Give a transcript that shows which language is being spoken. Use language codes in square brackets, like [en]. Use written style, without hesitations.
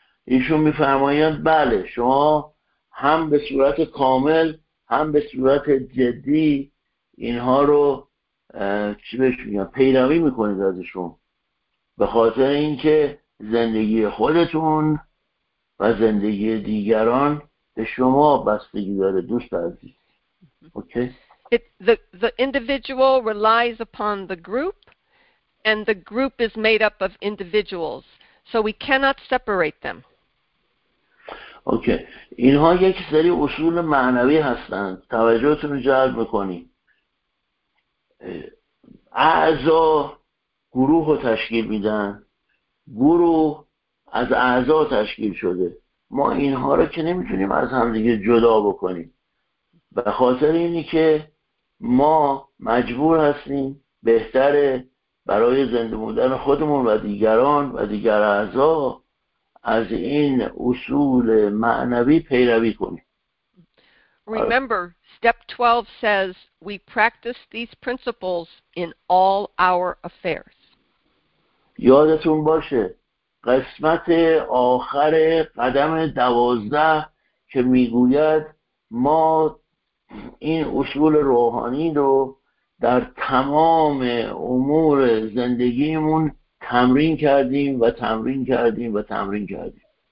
[fa] ایشون میفرمایند بله، شما هم به صورت کامل هم به صورت جدی اینها رو چی بهش میگم پیروی میکنید ازشون، به خاطر اینکه زندگی خودتون و زندگی دیگران به شما بستگی داره دوست عزیز. [en] Okay. The individual relies upon the group and the group is made up of individuals, so we cannot separate them. Okay. [fa] اینها یک سری اصول معنوی هستند، توجهتون رو جلب میکنیم. اعضا گروه رو تشکیل میدن، گروه از اعضا تشکیل شده، ما اینها رو که نمیتونیم از همدیگه جدا بکنیم، به خاطر اینی که ما مجبور هستیم بهتره برای زنده موندن خودمون و دیگران و دیگر اعضا از این اصول معنوی پیروی کنیم. [en] Remember, step 12 says we practice these principles in all our affairs. [fa] یادتون باشه قسمت آخر قدم 12 که میگوید ما این اصول روحانی رو در تمام امور زندگیمون تمرین کردیم و تمرین کردیم و تمرین کردیم.